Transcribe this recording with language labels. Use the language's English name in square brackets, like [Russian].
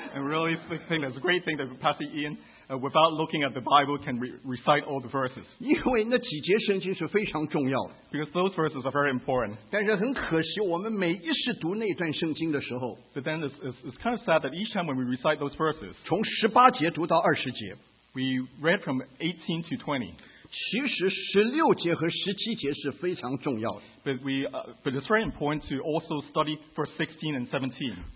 [English] And really think that's a great thing that Pastor Ian, without looking at the Bible, can recite all the verses. [Chinese] 因为那几节圣经是非常重要的。 [English] Because those verses are very important. [Chinese] 但是很可惜，我们每一次读那段圣经的时候， [English] But then it's kind of sad that each time when we recite those verses, [Chinese] 从18节读到20节。 [English] We read from 18 to 20. [Chinese] 其实16节和17节是非常重要的。 [English] But it's very important to also study verse 16 and 17.